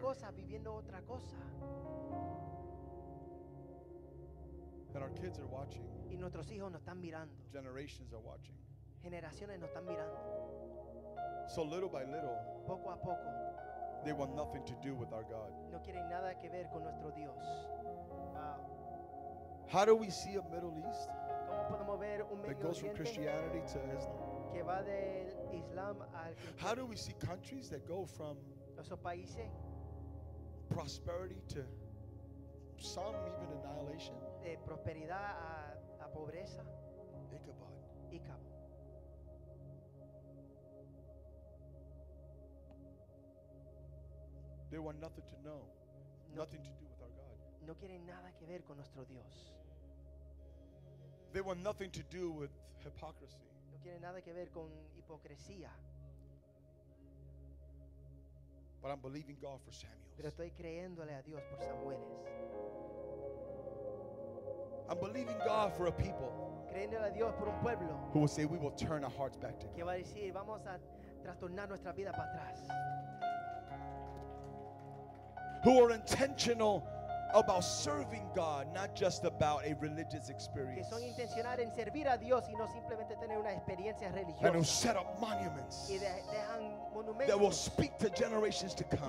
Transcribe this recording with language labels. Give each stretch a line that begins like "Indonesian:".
Spanish: Cosa, viviendo otra cosa.
English: And our kids are watching.
Spanish: Y nuestros hijos nos están mirando.
English: Generations are watching.
Spanish: Generaciones nos están mirando.
English: So little by little,
Spanish: poco a poco,
English: they want nothing to do with our God.
Spanish: No quieren nada que ver con nuestro Dios.
English: Wow. How do we see a Middle East
Spanish: ¿cómo podemos ver un
English: that goes from Christianity to Islam?
Spanish: Que va del Islam al
English: How do we see countries that go from prosperity to some even annihilation?
Spanish: De prosperidad a la pobreza.
English: Ichabod.
Spanish: Ichabod.
English: They want nothing to know, nothing to do with our God.
Spanish: No quieren nada que ver con nuestro Dios.
English: They want nothing to do with hypocrisy.
Spanish: No quieren nada que ver con hipocresía.
English: But I'm believing God for Samuels.
Spanish: Pero estoy creyéndole a Dios por Samueles.
English: I'm believing God for a people.
Spanish: Creyéndole a Dios por un pueblo.
English: Who will say we will turn our hearts back to God.
Spanish: Que va a decir vamos a trastornar nuestra vida para atrás.
English: Who are intentional about serving God, not just about a religious experience.
Spanish: Que son intencionales en servir a Dios y no simplemente tener una experiencia religiosa.
English: And who set up monuments that will speak to generations to come.